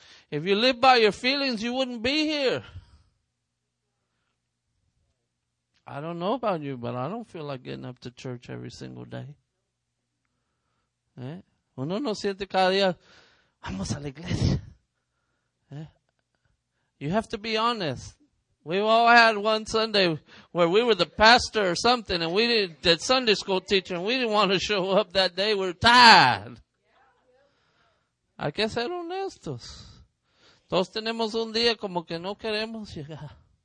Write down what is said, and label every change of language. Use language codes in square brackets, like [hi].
[en] If you live by your feelings, you wouldn't be here. I don't know about you, but I don't feel like getting up to church every single day. ¿Eh? [es] Uno no siente cada día, vamos a la iglesia. [en] ¿Eh? You have to be honest. We've all had one Sunday where we were the pastor or something, and we didn't, the Sunday school teacher, and we didn't want to show up that day. We're tired. [es] Hay que ser honestos. Todos tenemos un día como que no queremos llegar.